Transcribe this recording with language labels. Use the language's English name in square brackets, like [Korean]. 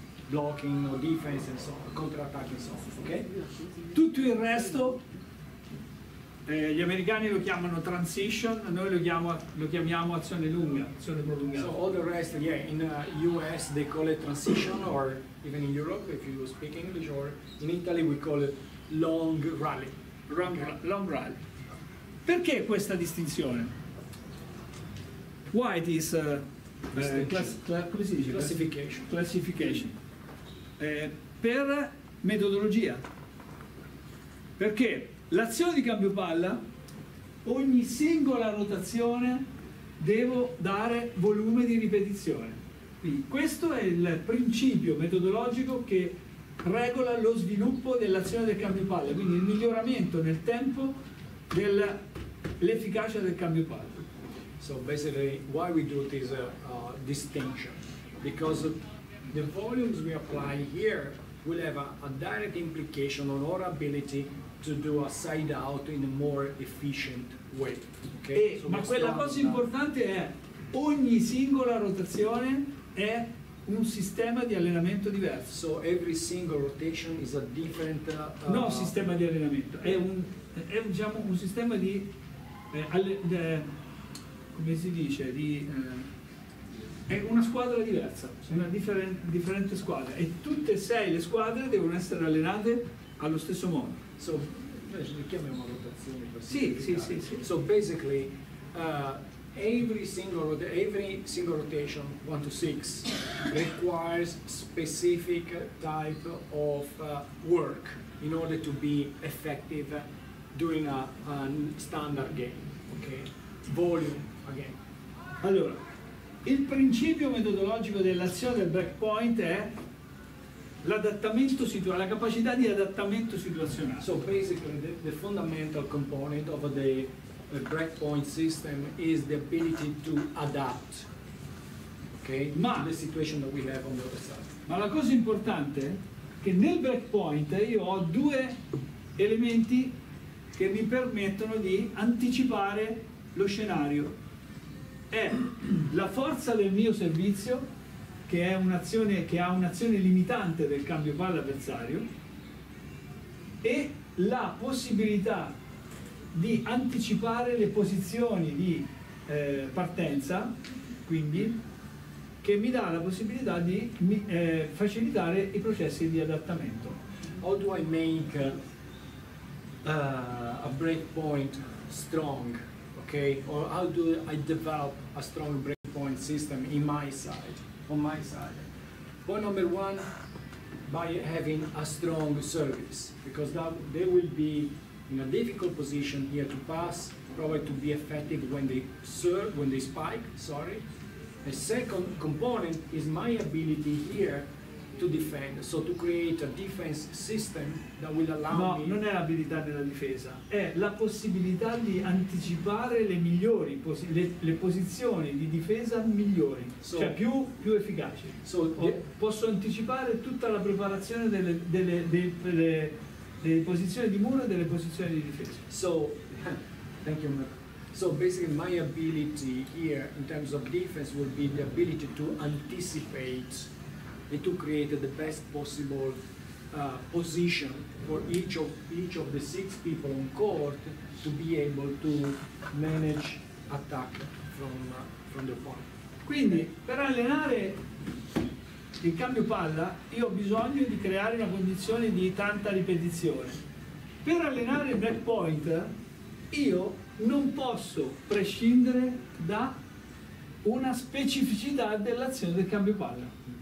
[English] blocking or defense and so on, counterattack and so on, okay? [Italian] Tutto il resto, gli americani lo chiamano transition, noi lo chiamiamo azione lunga, azione prolungata. [English] So all the rest, yeah, in US they call it transition, or even in Europe if you speak English, or in Italy we call it long rally. Long rally. [Italian] Perché questa distinzione? [English] Why this classification? [Italian] Per metodologia. Perché l'azione di cambio palla, ogni singola rotazione devo dare volume di ripetizione. Quindi questo è il principio metodologico che regola lo sviluppo dell'azione del cambio palla, quindi il miglioramento nel tempo dell'efficacia del cambio palla. [English] So basically why we do this distinction, because the volumes we apply here will have a direct implication on our ability to do a side out in a more efficient way. Okay? [Italian] Ma quella cosa importante è ogni singola rotazione è un sistema di allenamento diverso. [English] So every single rotation is a different [Italian] no sistema di allenamento, è un sistema di come si dice, di è una squadra diversa, sono una differente squadra e tutte e sei le squadre devono essere allenate allo stesso modo. So le chiamiamo rotazioni. Sì. [English] So basically every single rotation 1 to 6 requires specific type of work in order to be effective during a standard game, okay? Volume again. [Italian] Allora, il principio metodologico dell'azione del breakpoint è l'adattamento situazionale, la capacità di adattamento situazionale. [English] So basically the fundamental component of the breakpoint system is the ability to adapt, okay, [Italian] ma [English] to the situation that we have on the other side. [Italian] Ma la cosa importante è che nel breakpoint io ho due elementi che mi permettono di anticipare lo scenario. È la forza del mio servizio, che è un'azione che ha un'azione limitante del cambio palla avversario, e la possibilità di anticipare le posizioni di partenza, quindi che mi dà la possibilità di facilitare i processi di adattamento. [English] How do I make a break point strong, okay? Or how do I develop a strong break point system in my side, on my side? Point number one, by having a strong service, because that they will be in a difficult position here to pass, probably to be effective when they serve, when they spike, sorry. The second component is my ability here to defend, so to create a defense system that will allow [Italian] no, [English] me... [Italian] No, non è l'abilità della difesa, è la possibilità di anticipare le migliori le posizioni di difesa migliori, [English] so, [Italian] cioè più efficaci. [English] So [Italian] posso anticipare tutta la preparazione delle posizioni di muro e delle posizioni di difesa. [English] So, thank you, Marco. So basically my ability here in terms of defense would be the ability to anticipate and to create the best possible position for each of the six people on court to be able to manage attack from the opponent. [Italian] Quindi per allenare il cambio palla io ho bisogno di creare una condizione di tanta ripetizione. Per allenare il break point io non posso prescindere da una specificità dell'azione del cambio palla.